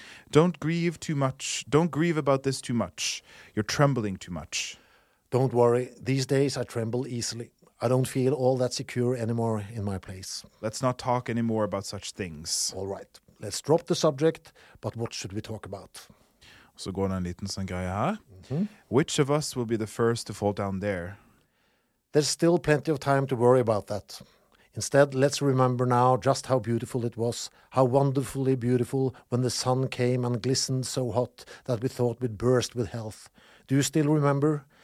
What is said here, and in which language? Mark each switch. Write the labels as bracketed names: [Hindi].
[English] Don't grieve too much. Don't grieve about this too much. You're trembling too much. Don't worry. These days I tremble easily. I don't feel all that secure anymore in my place. Let's not talk anymore about such things. All right. Let's drop the subject, but what should we talk about? [Norwegian] Så går det en liten sånn greie her. [English] Which of us will be the first to fall down there? There's still plenty of time to worry about that. Instead, let's remember now just how beautiful it was, how wonderfully beautiful when the sun came and glistened so hot that we thought we'd burst with health. Do you still remember?